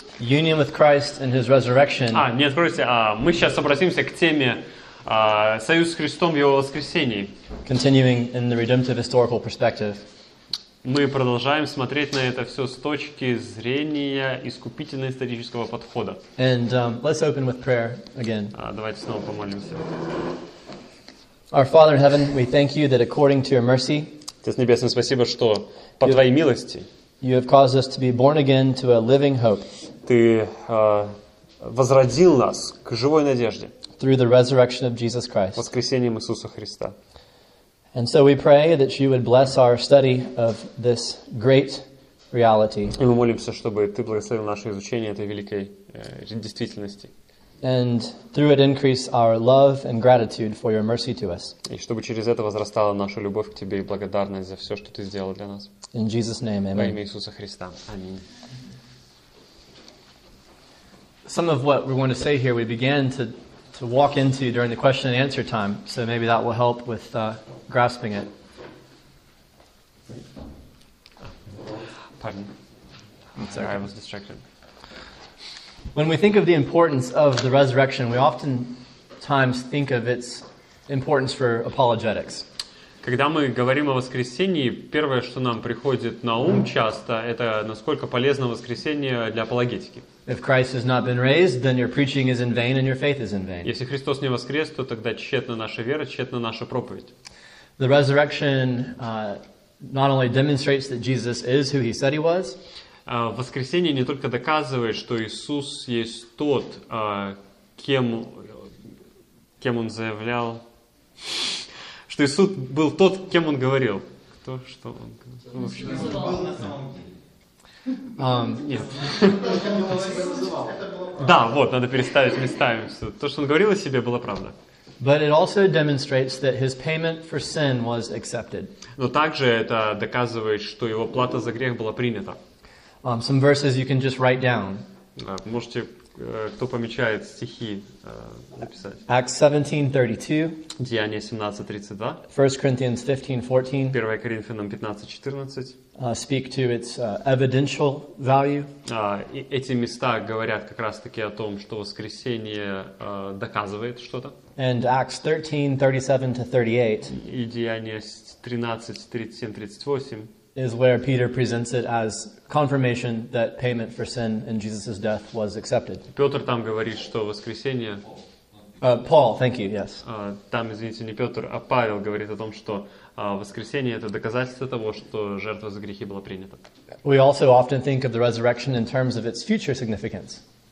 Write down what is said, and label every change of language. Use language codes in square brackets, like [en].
[en] Union with Christ and his resurrection. [ru] А, нет, простите, а мы сейчас обратимся к теме союз с Христом и его воскресении. [en] Continuing in the redemptive historical perspective. [ru] Мы продолжаем смотреть на это все с точки зрения искупительно-исторического подхода. [en] And let's open with prayer again. [ru] Давайте снова помолимся. [en] Our Father in heaven, we thank you that according to your mercy. [ru] Отец небесный, спасибо, что по твоей милости. [en] You have caused us to be born again to a living hope. [ru] Ты возродил нас к живой надежде. [en] Through the resurrection of Jesus Christ. [ru] Воскресением Иисуса Христа. [en] And so we pray that you would bless our study of this great reality. [ru] И мы молимся, чтобы ты благословил наше изучение этой великой действительности. [en] And through it increase our love and gratitude for your mercy to us. [ru] И чтобы через это возрастала наша любовь к тебе и благодарность за все, что ты сделал для нас. [en] In Jesus' name, amen. [ru] Во имя Иисуса Христа. Аминь. [en] Some of what we're going to say here, we began to walk into during the question and answer time, so maybe that will help with grasping it. Pardon. I'm sorry. I was distracted. When we think of the importance of the resurrection, we oftentimes think of its importance for apologetics. [ru] Когда мы говорим о воскресении, первое, что нам приходит на ум часто, это насколько полезно воскресение для апологетики. [en] If Christ has not been raised, then your preaching is in vain and your faith is in vain. [ru] Если Христос не воскрес, то тогда тщетна наша вера, тщетна наша проповедь. [en] The resurrection not only demonstrates that Jesus is who he said he was. [ru] Воскресение не только доказывает, что Иисус есть тот, кем он заявлял, что Иисус был тот, кем он говорил. Кто, что он? Ну, в общем, он был на самом деле. Нет. Да, вот, надо переставить местами. То, что он говорил о себе, было правда. [en] But it also demonstrates that his payment for sin was accepted. [ru] Но также это доказывает, что его плата за грех была принята. [en] Some verses you can just write down. [ru] Можете, кто помечает стихи, написать. [en] Acts 17:32. [ru] Деяния 17:32. [en] 1 Corinthians 15:14. [ru] 1 Коринфянам 15:14. [en] Speak to its evidential value. [ru] Эти места говорят как раз таки о том, что воскресение доказывает что-то. [en] And Acts 13:37-38. [ru] И Деяния 13:37-38. [en] Is where Peter presents it as confirmation that payment for sin in Jesus' death was accepted. [ru] Петр там говорит, что воскресение. [en] Paul, thank you. Yes. [ru] Там, извините, не Петр, а Павел говорит о том, что воскресение это доказательство того, что жертва за грехи была принята. [en] We also often think of the resurrection in terms of its future significance.